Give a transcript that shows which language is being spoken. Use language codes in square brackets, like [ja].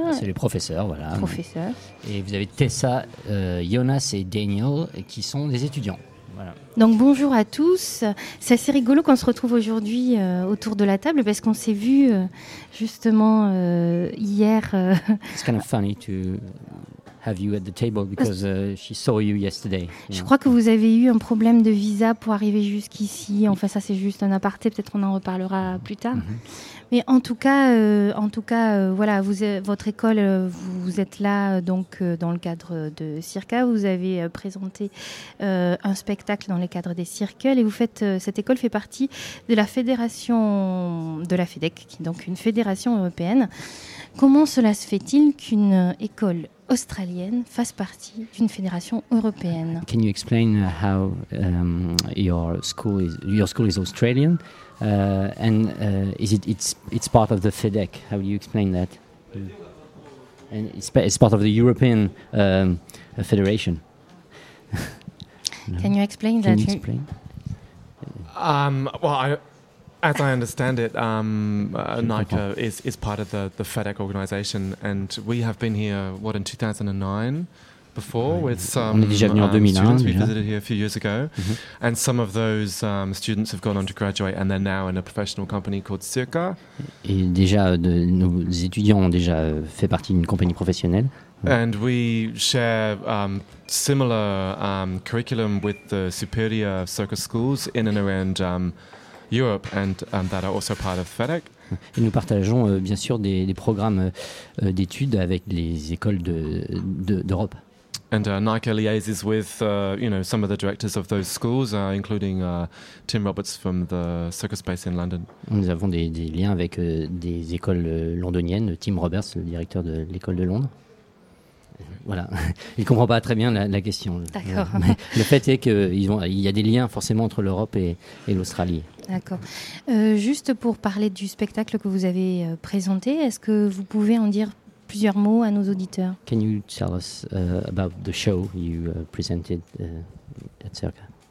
[fr] Ah, c'est les professeurs, voilà. Professeurs. Et vous avez Tessa, Jonas et Daniel, qui sont des étudiants. Voilà. Donc bonjour à tous, c'est assez rigolo qu'on se retrouve aujourd'hui autour de la table parce qu'on s'est vu justement hier. [en] It's kind of funny to have you at the table because she saw you yesterday. [fr] Je crois que vous avez eu un problème de visa pour arriver jusqu'ici, enfin ça c'est juste un aparté, peut-être on en reparlera plus tard. Mm-hmm. Mais votre école, vous êtes là donc dans le cadre de Circa, vous avez présenté un spectacle dans les cadres des Circles et vous faites, cette école fait partie de la fédération de la FEDEC, qui est donc une fédération européenne. Comment cela se fait-il qu'une école australienne fasse partie d'une fédération européenne? [en] Can you explain how your school is Australian? And is it part of the FEDEC? How do you explain that? And it's part of the European Federation. Can you explain that? As I understand it, NICA is part of the FEDEC organization, and we have been here, in 2009 before with some students we visited here a few years ago. Mm-hmm. And some of those students have gone on to graduate, and they're now in a professional company called Circa. [fr] Et déjà, nos étudiants ont déjà fait partie d'une compagnie professionnelle. [en] And we share similar curriculum with the superior circus schools in and around Europe and that are also part of FEDEC. [fr] Et nous partageons bien sûr des programmes d'études avec les écoles d'Europe. [en] And NICA liaises with some of the directors of those schools, including Tim Roberts from the Circus Base in London. [fr] Nous avons des liens avec des écoles londoniennes, Tim Roberts, le directeur de l'école de Londres. Voilà, il ne comprend pas très bien la question. D'accord. Mais le fait est qu'il y a des liens forcément entre l'Europe et l'Australie. D'accord. Juste pour parler du spectacle que vous avez présenté, est-ce que vous pouvez en dire plusieurs mots à nos auditeurs? [en] Can you tell us about the show you presented at Circa?